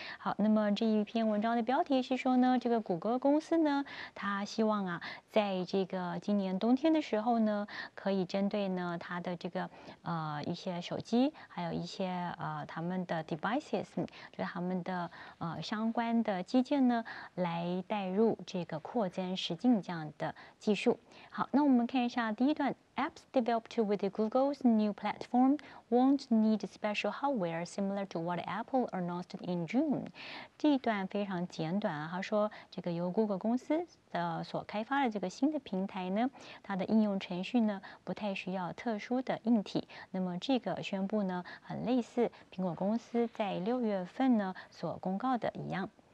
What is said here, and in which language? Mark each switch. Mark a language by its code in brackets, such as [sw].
[zh] 好，那么这一篇文章的标题是说呢，这个谷歌公司呢，它希望啊，在这个今年冬天的时候呢，可以针对呢它的这个一些手机，还有一些他们的 devices，就是他们的相关的机件呢，来带入这个扩增实境这样的技术。好，那我们看一下。第一段 [en] ，Apps developed with Google's new platform won't need special hardware similar to what Apple announced in June。 [zh] 这一段非常简短啊，他说这个由 Google 公司所开发的这个新的平台呢，它的应用程序呢不太需要特殊的硬体。那么这个宣布呢，很类似苹果公司在六月份呢所公告的一样。